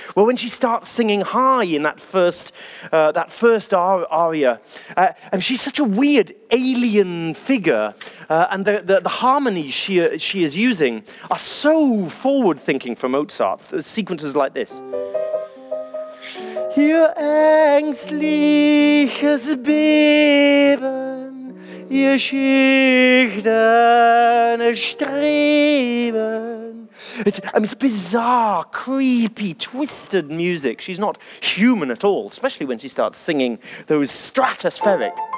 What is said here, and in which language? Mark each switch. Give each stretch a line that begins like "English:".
English: Well, when she starts singing high in that first aria, and she's such a weird alien figure, and the harmonies she is using are so forward-thinking for Mozart. The sequences like this.
German: Ihr ängstliches Beben, ihr schüchternes Streben.
English: It's bizarre, creepy, twisted music. She's not human at all, especially when she starts singing those stratospheric.